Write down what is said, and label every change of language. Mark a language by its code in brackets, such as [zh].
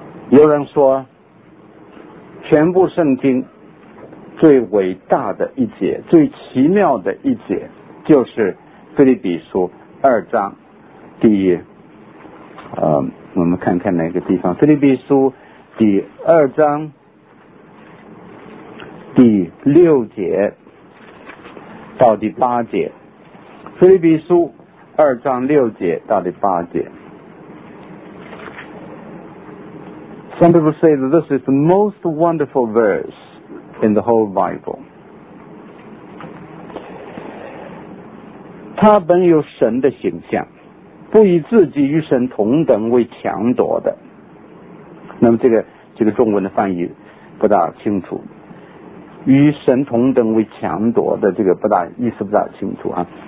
[zh] 有人说，全部圣经最伟大的一节，最奇妙的一节，就是腓立比书二章第我们看看哪个地方，腓立比书第二章第六节到第八节，腓立比书二章六节到第八节。 [en] Some people say that this is the most wonderful verse in the whole Bible. [zh] 他本有神的形象，不以自己与神同等为强夺的。那么这个中文的翻译不大清楚，与神同等为强夺的，这个不大意思不大清楚啊。